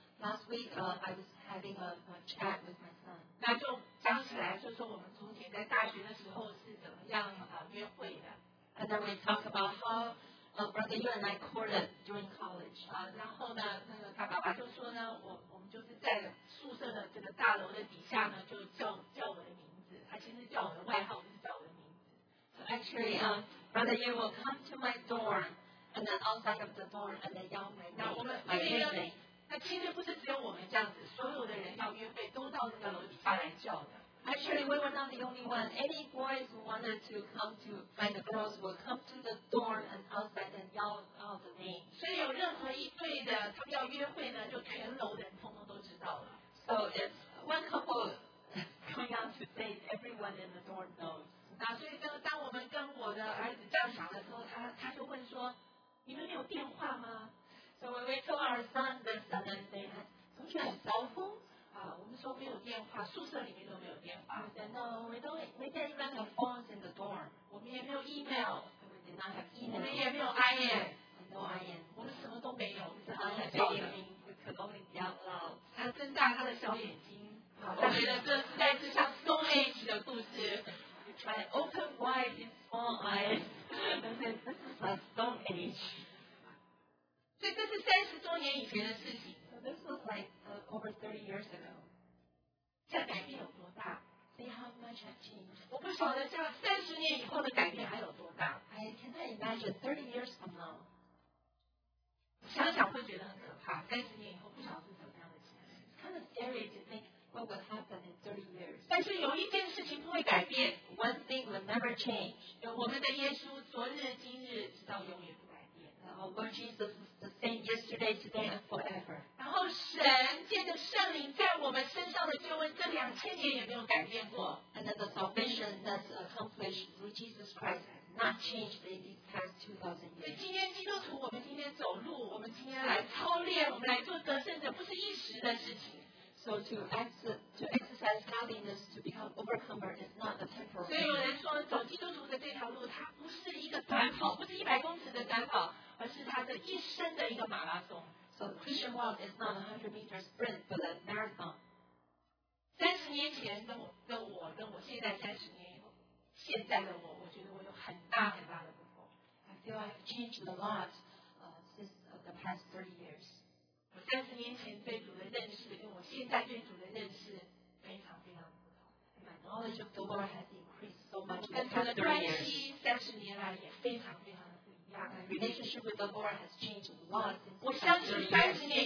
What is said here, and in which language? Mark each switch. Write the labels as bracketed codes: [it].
[en] Last week, I was having a chat with my son. [zh] 那就讲起来，就说我们从前在大学的时候是怎么样约会的。 [en] And then we talked about how Brother Yu and I courted during college. [zh] 然后呢，那个他爸爸就说呢，我们就是在宿舍的这个大楼的底下呢，就叫我的名字。他其实叫我的外号，不是叫我的名字。 [en] So actually, Brother Yu will come to my dorm, and then outside of the dorm, and then yell my name. My name. [zh] 那其实不是只有我们这样子，所有的人要约会都到那个楼底下来叫的。 [en] Actually, we were not the only one. Any boys who wanted to come to find the girls will come to the dorm and outside and yell out the name. [zh] 所以有任何一对的他们要约会呢，就全楼的人通通都知道了。 [en] So it's one couple going out to date, everyone in the dorm knows. [zh] 那所以当我们跟我的儿子这样想的时候，他就问说：“你们有电话吗？” [en] So when we told our son this, and then they had, [zh] 同学有招风啊，我们说没有电话，宿舍里面都没有电话。 [en] Then no, we didn't even have phones in the dorm. [zh] 我们也没有 email. [en] We did not have email. [zh] 我们也没有 IM. [en] No IM. [zh] 我们什么都没有，我们只能在叫的。 [en] We could only yell out. [zh] 他睁大他的小眼睛，我觉得这实在是像 Stone Age 的故事。 [en] We try to open wide his small eyes. This is a Stone Age. [zh] 所以这是三十多年以前的事情。 [en] So this was like over 30 years ago. [zh] 这改变有多大 [en] ？See how much has changed. [zh] 我不晓得像三十年以后的改变还有多大。 [en] I cannot imagine 30 years from now. [zh] 想想会觉得很可怕。三十年以后不晓得是怎么样的情形。 [en] Kind of scary to think what would happen in 30 years. [zh] 但是有一件事情不会改变。 [en] One thing will never change. [zh] 我们的耶稣昨日今日直到永远。 [en] Lord Jesus is the same yesterday, today, and forever. [zh] 然后神借着圣灵在我们身上的救恩，这两千年也没有改变过。 [en] And then the salvation that's accomplished through Jesus Christ has not changed in these past 2,000 years. [zh] 所以今天基督徒，我们今天走路，我们今天来操练，我们来做得胜者，不是一时的事情。 [en] So to exercise godliness to become overcomer is not a temporary. [zh] 所以有人说，走基督徒的这条路，它不是一个短跑，不是100公尺的短跑。而是他的一生的一个马拉松。 [en] So the Christian walk is not a 100-meter sprint, but a marathon. [zh] 30年的我跟我现在30年现在的我，我觉得我有很大很大的不同。 [en] I feel I've changed a lot since the past 30 years. [zh] 我30年前对主的认识跟我现在对主的认识非常非常不同。 [en] My knowledge of the Lord has increased so much. [zh] 跟他的关系30年来也非常非常的不一样。 [en] My relationship with the Lord has changed a lot since.